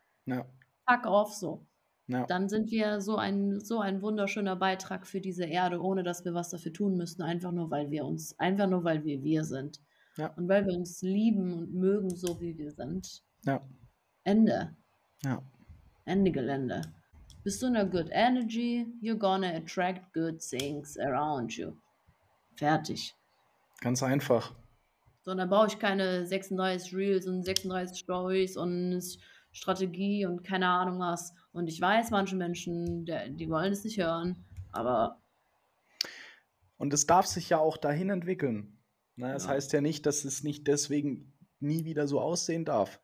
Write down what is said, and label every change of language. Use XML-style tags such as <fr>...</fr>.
<de>Ja.</de> <en>Fuck off, so.</en> <de>Ja. Dann sind wir so ein wunderschöner Beitrag für diese Erde, ohne dass wir was dafür tun müssen, einfach nur, weil wir wir sind. Ja. Und weil wir uns lieben und mögen, so wie wir sind. Ja. Ende. Ja. Ende Gelände. Bist du</de> <en>in a good energy, you're gonna attract good things around you.</en> <de>Fertig. Ganz einfach. So, dann brauche ich keine 36 Reels und 36 Stories und Strategie und keine Ahnung was. Und ich weiß, manche Menschen, die wollen es nicht hören, aber... Und es darf sich ja auch dahin entwickeln. Na, das heißt ja nicht, dass es nicht deswegen nie wieder so aussehen darf.</de>